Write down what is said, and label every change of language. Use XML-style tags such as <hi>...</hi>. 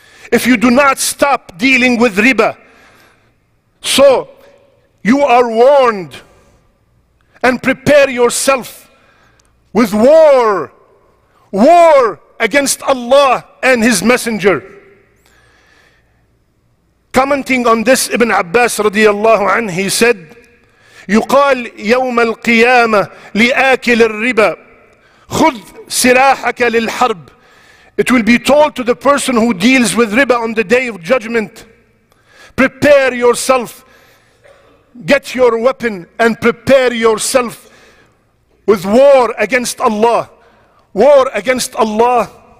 <en>If you do not stop dealing with riba, so you are warned, and prepare yourself with war, war against Allah and His Messenger. Commenting on this, Ibn Abbas radiallahu anhu, he said,</en> <ar>يقال يوم القيامة لآكل الربا خذ سلاحك للحرب.</ar> <en>It will be told to the person who deals with riba on the day of judgment, prepare yourself, get your weapon, and prepare yourself with war against Allah. War against Allah.</en>